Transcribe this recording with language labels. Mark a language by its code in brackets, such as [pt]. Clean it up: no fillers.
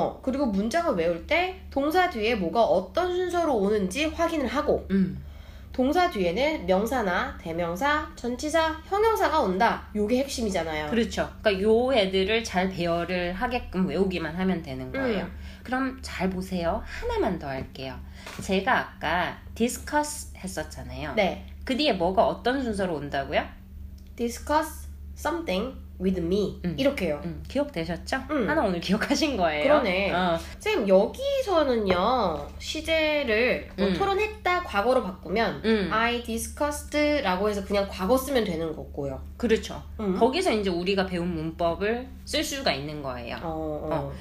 [ko] 그리고 문장을 외울 때 동사 뒤에 뭐가 어떤 순서로 오는지 확인을 하고 동사 뒤에는 명사나 대명사, 전치사, 형용사가 온다. 요게 핵심이잖아요. 그렇죠. 그러니까 요 애들을 잘 배열을 하게끔 외우기만 하면 되는 거예요. 그럼 잘 보세요. 하나만 더 할게요. 제가 아까 discuss 했었잖아요. 네. 그 뒤에 뭐가 어떤 순서로 온다고요? [en] discuss something with me. [ko] 이렇게요. 기억되셨죠? 하나 오늘 기억하신 거예요. 그러네. 쌤, 여기서는요. 시제를 토론했다 과거로 바꾸면 [en] I discussed [ko] 라고 해서 그냥 과거 쓰면 되는 거고요. 그렇죠. 거기서 이제 우리가 배운 문법을 쓸 수가 있는 거예요.